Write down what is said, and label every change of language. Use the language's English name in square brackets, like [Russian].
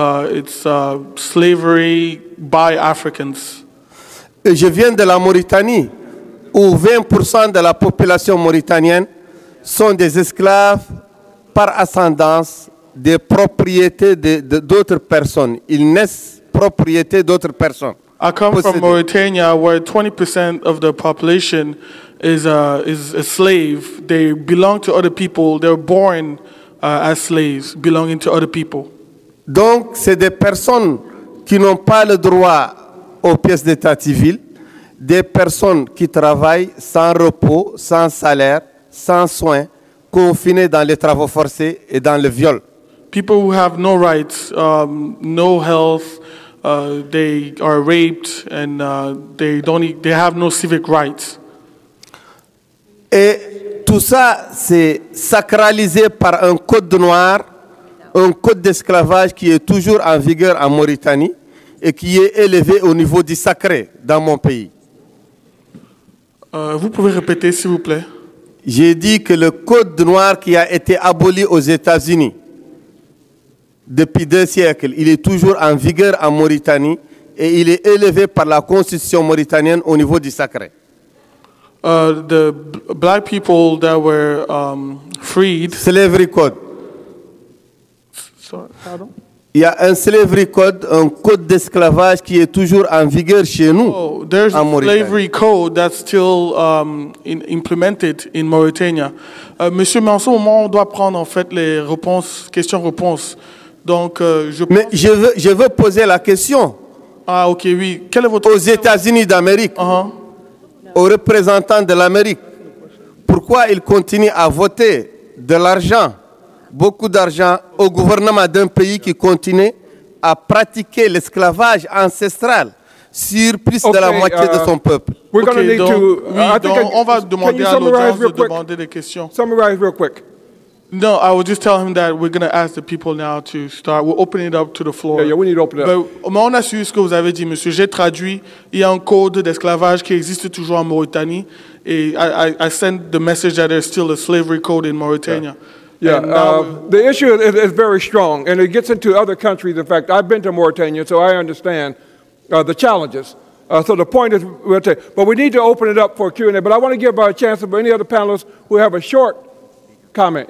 [English] It's slavery by Africans. [French] Je viens de la Mauritanie, où 20% de la population mauritanienne sont des esclaves par ascendance des propriétés de d'autres personnes. Ils naissent propriétés d'autres personnes. [English] I come from Mauritania, where 20% of the population is a slave. They belong to other people. They're born as slaves, belonging to other people. [French] Donc, c'est des personnes qui n'ont pas le droit aux pièces d'état civil, des personnes qui travaillent sans repos, sans salaire, sans soins, confinées dans les travaux forcés et dans le viol. [English] People who have no rights, no health, they are raped and they have no civic rights. [French] Et tout ça, c'est sacralisé par un code noir, un code d'esclavage qui est toujours en vigueur en Mauritanie et qui est élevé au niveau du sacré dans mon pays. Vous pouvez répéter, s'il vous plaît. J'ai dit que le code noir qui a été aboli aux États-Unis depuis deux siècles, il est toujours en vigueur en Mauritanie et il est élevé par la constitution mauritanienne au niveau du sacré. [English] The black people that were freed... Slavery code. [French] Pardon? Il y a un [English] slavery code, [French] un code d'esclavage qui est toujours en vigueur chez nous, [English] there's [French] en Mauritanie. [English] A slavery code that's still implemented in Mauritania. [French] Monsieur, mais en ce moment, on doit prendre en fait les réponses, questions-réponses. Donc, je veux poser la question. Ah, OK, oui. Quelle est votre aux États-Unis d'Amérique, aux représentants de l'Amérique, pourquoi ils continuent à voter de l'argent beaucoup d'argent au gouvernement d'un pays qui continue à pratiquer l'esclavage ancestral sur plus de la moitié de son peuple. On va demander à l'audience de demander des questions. [English] Summarize real quick. No, I will just tell him that we're going to ask the people now to start. We're opening it up to the floor. Yeah, we need to open it up. [French] Mais on a suivi ce que vous avez dit, monsieur. J'ai traduit. Il y a un code d'esclavage qui existe toujours en Mauritanie. [English] Et I send the message that there's still a slavery code in Mauritania. Yeah, the issue is very strong, and it gets into other countries. In fact, I've been to Mauritania, so I understand the challenges. So the point is, but we need to open it up for Q&A. But I want to give a chance for any other panelists who have a short comment.